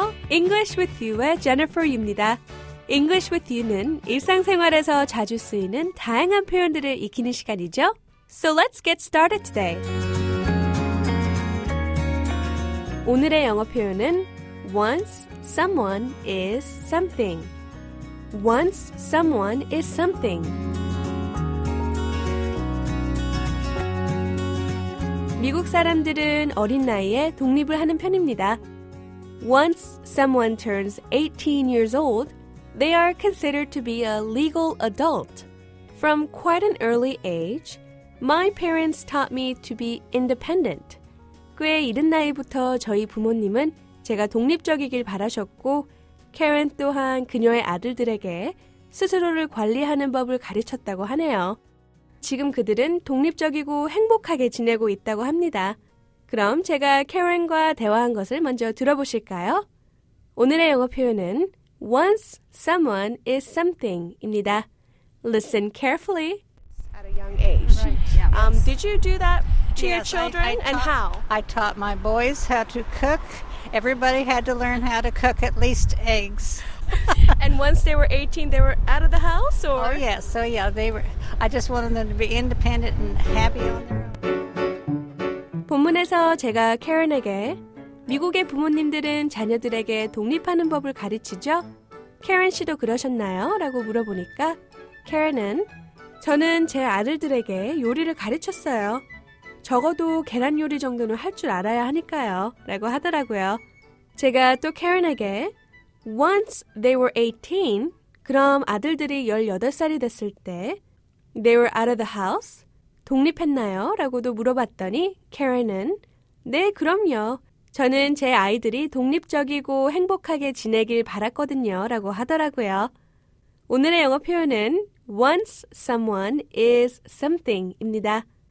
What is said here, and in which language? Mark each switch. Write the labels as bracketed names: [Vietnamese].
[Korean] English with you의 Jennifer입니다. English with you는 일상생활에서 자주 쓰이는 다양한 표현들을 익히는 시간이죠. [English] So let's get started today. [Korean] 오늘의 영어 표현은 [English] once someone is something. Once someone is something. [Korean] 미국 사람들은 어린 나이에 독립을 하는 편입니다. [English] Once someone turns 18 years old, they are considered to be a legal adult. From quite an early age, my parents taught me to be independent. [Korean] 꽤 이른 나이부터 저희 부모님은 제가 독립적이길 바라셨고, Karen 또한 그녀의 아들들에게 스스로를 관리하는 법을 가르쳤다고 하네요. 지금 그들은 독립적이고 행복하게 지내고 있다고 합니다. 그럼 제가 Karen과 대화한 것을 먼저 들어보실까요? 오늘의 영어 표현은 [English] once someone is something [Korean] 입니다. [English] Listen carefully. At a young age. Right. Yeah, did you do that to your children? I taught, and how? I taught my boys how to cook. Everybody had to learn how to cook at least eggs. And once they were 18, they were out of the house? Or? Oh, yes. Yeah. So, yeah, they were. I just wanted them to be independent and happy on their own. [Korean] 본문에서 제가 Karen에게 미국의 부모님들은 자녀들에게 독립하는 법을 가르치죠? Karen 씨도 그러셨나요? 라고 물어보니까 Karen은 저는 제 아들들에게 요리를 가르쳤어요. 적어도 계란 요리 정도는 할 줄 알아야 하니까요. 라고 하더라고요. 제가 또 Karen에게 [English] Once they were 18, [Korean] 그럼 아들들이 18살이 됐을 때 [English] They were out of the house? [Korean] 독립했나요? 라고도 물어봤더니 Karen은 네, 그럼요. 저는 제 아이들이 독립적이고 행복하게 지내길 바랐거든요. 라고 하더라고요. 오늘의 영어 표현은 [English] Once someone is something [Korean] 입니다.